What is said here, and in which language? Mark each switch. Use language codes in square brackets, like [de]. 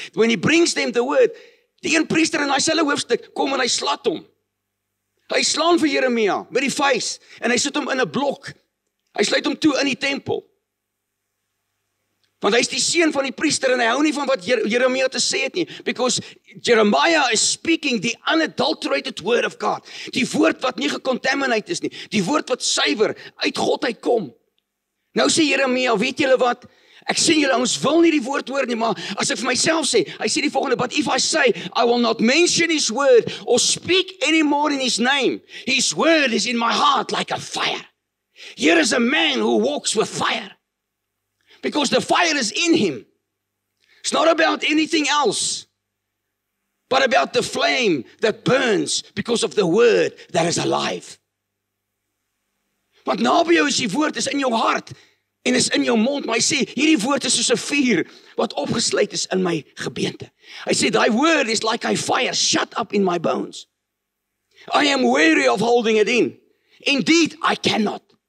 [en] When he brings them the word, [af] die een priester in daai selfe hoofstuk kom en hy slaat hom. Hy slaan vir Jeremia met die vuis en hy sit hom in 'n blok. Hy sluit hom toe in die tempel. Want hy is die seun van die priester en hy hou nie van wat Jeremia te sê het nie. [en] Because Jeremiah is speaking the unadulterated word of God. [af] Die woord wat nie gecontaminate is nie. Die woord wat suiwer uit God uitkom. Nou sê Jeremia, weet julle wat? Ek sien julle ons wil nie die woord hoor nie, maar as ek vir myself sê, hy sê die volgende, [en] but if I say, I will not mention his word or speak anymore in his name. His word is in my heart like a fire. Here is a man who walks with fire. Because the fire is in him. It's not about anything else, but about the flame that burns because of the word that is alive. [af] Want naby jou is die woord, is in jou hart en is in jou mond. Maar hy sê, hierdie woord is soos 'n vuur wat opgesluit is in my gebeente. Hy sê, [en] thy word is like a fire shut up in my bones. I am weary of holding it in. Indeed, I cannot.